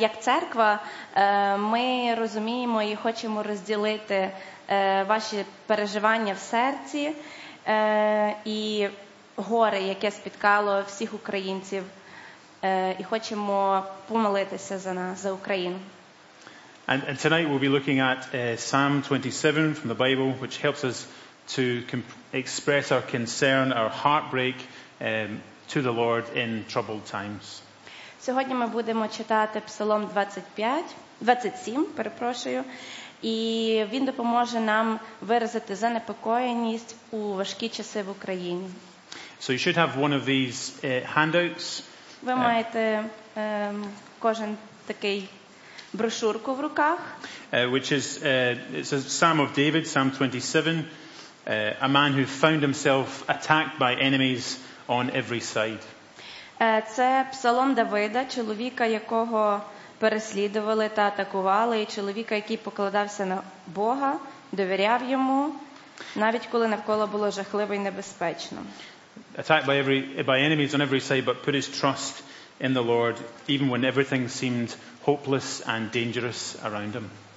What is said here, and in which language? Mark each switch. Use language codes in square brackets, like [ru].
[uk] Як церква, ми розуміємо і хочемо розділити ваші переживання в серці і горе, яке спіткало всіх українців, і хочемо помолитися за нас, за Україну. [en] And tonight we'll be looking at Psalm 27 from the Bible, which helps us to express our concern, our heartbreak to the Lord in troubled times. [uk] Сьогодні ми будемо читати Псалом 27, перепрошую, і він допоможе нам виразити занепокоєність у важкі часи в Україні. [en] So you should have one of these handouts. [uk] Ви маєте кожен такий брошурку в руках. [en] Which is it's a Psalm of David, Psalm 27. A man who found himself attacked by enemies on every side. [uk] Це Псалом Давида, чоловіка, якого переслідували та атакували, і чоловіка, який покладався на Бога, довіряв йому, навіть коли навколо було жахливо і небезпечно. [en] Attacked by enemies on every side, but put his trust in the Lord, even when everything seemed hopeless and dangerous around him.